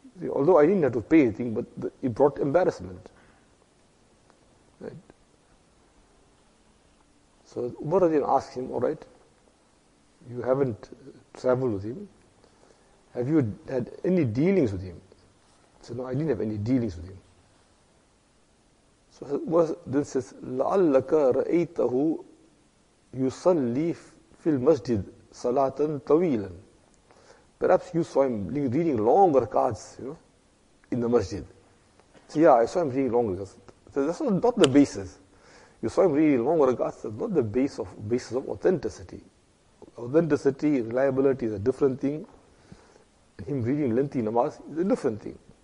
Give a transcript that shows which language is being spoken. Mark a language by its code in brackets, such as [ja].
[en] Although I didn't have to pay anything, but it brought embarrassment. Right. So Umar Adin asked him, all right, you haven't traveled with him. Have you had any dealings with him? He said, no, I didn't have any dealings with him. So then says, [ar] لَعَلَّكَ رَأَيْتَهُ يُصَلِّي فِي الْمَسْجِدِ صَلَاةً طَوِيلًا. [en] Perhaps you saw him reading long rakats, you know, in the masjid. So yeah, I saw him reading long rakats. That's not the basis. You saw him reading long rakats, that's not the basis of authenticity. Authenticity, reliability is a different thing. Him reading lengthy namaz is a different thing.